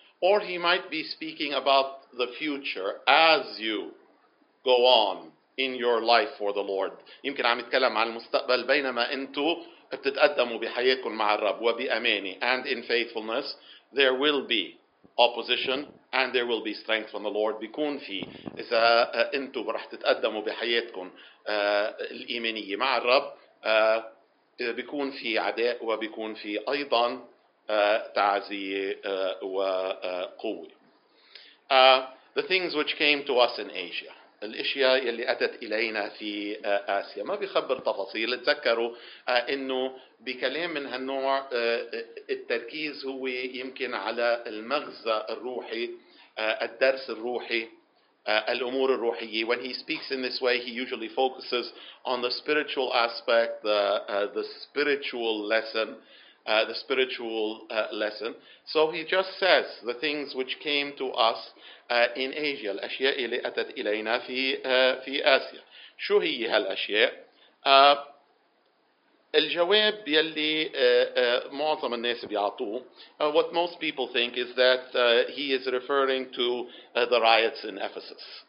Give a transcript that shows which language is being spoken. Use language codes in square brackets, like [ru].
[en] Or he might be speaking about the future as you go on in your life for the Lord. [ar] يمكن عم يتكلم عن المستقبل بينما انتو بتتقدموا بحياتكم مع الرب وبأماني. [en] And in faithfulness, there will be opposition and there will be strength from the Lord. [ar] بيكون في إذا انتو رح تتقدموا بحياتكم الإيمانية مع الرب بيكون في عداء وبيكون في أيضا تعزية وقوة. [en] The things which came to us in Asia. [ar] الأشياء اللي أتت إلينا في آسيا ما بيخبر تفاصيل. تذكروا إنه بكلام من هالنوع التركيز هو يمكن على المغزى الروحي, الدرس الروحي, الأمور الروحية. [en] When he speaks in this way, he usually focuses on the spiritual aspect, the spiritual lesson. the spiritual lesson. So he just says the things which came to us in Asia. [ar] الأشياء اللي أتت إلينا في في آسيا. شو هي هالأشياء؟ الجواب يلي معظم الناس بيعطوه. [en] What most people think is that he is referring to the riots in Ephesus.